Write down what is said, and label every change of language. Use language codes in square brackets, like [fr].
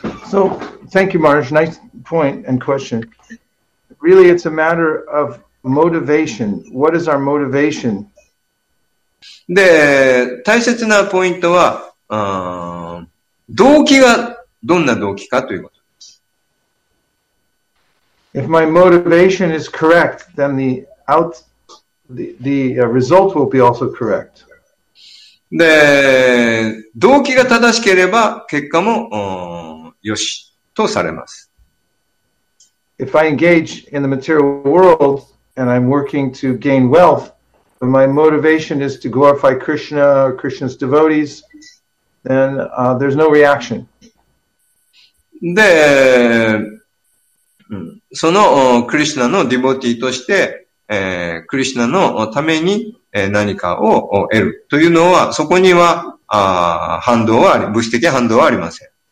[en] So, thank you, Maharaj. Nice point and question. Really, it's a matter of motivation. What is our motivation? [ja] で、大切なポイントは、動機がどんな動機かということ。 [en] If my motivation is correct, then the result will be also correct. [ja] で、動機が正しければ結果も、よしとされます。 [en] If I engage in the material world and I'm working to gain wealth, but my motivation is to glorify Krishna or Krishna's devotees, then, there's no reaction. [ja] で、そのクリシナのディボティとして、クリシナのために、何かを得るというのは、そこには反動は物質的反動はありません。